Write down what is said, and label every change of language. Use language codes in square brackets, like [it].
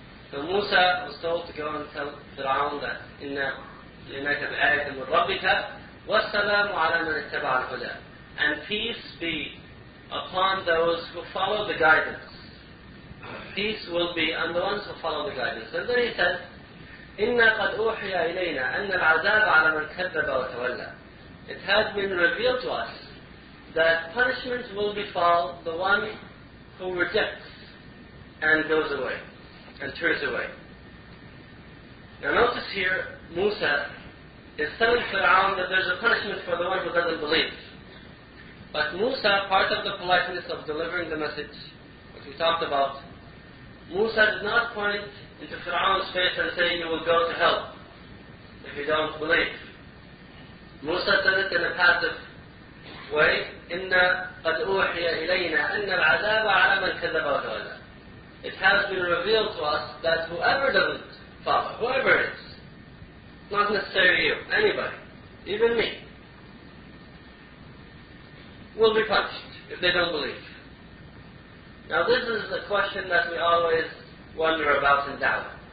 [en] So Musa was told to go and tell Fir'aun that [ar] إِنَّ لِنَكَ بِآيَةٍ مِنْ رَبِّكَ وَالسَّلَامُ عَلَى مَنِ اتَّبَعَ الْهُدَى. [en] And peace be upon those who follow the guidance. Peace will be on the ones who follow the guidance. And then he said, [ar] إِنَّ قَدْ أُوحِيَ إِلَيْنَا أَنَّ الْعَذَابَ عَلَى مَنْ كَذَّبَ وَتَوَلَّى. [en] It has been revealed to us that punishment will befall the one who rejects and goes away and turns away. Now notice here, Musa is telling Fir'aun that there's a punishment for the one who doesn't believe. But Musa, part of the politeness of delivering the message, which we talked about, Musa did not point into Fir'aun's face and say, you will go to hell if you don't believe. Musa said it in a passive way, [ar] إِنَّ قَدْ أُوحِيَ إِلَيْنَا أَنَّ الْعَذَابَ عَلَى مَنْ كَذَبَ وَتَوَلَّى. [en] It has been revealed to us that whoever doesn't follow, whoever it is, not necessarily you, anybody, even me, will be punished if they don't believe. Now this is a question that we always wonder about in doubt.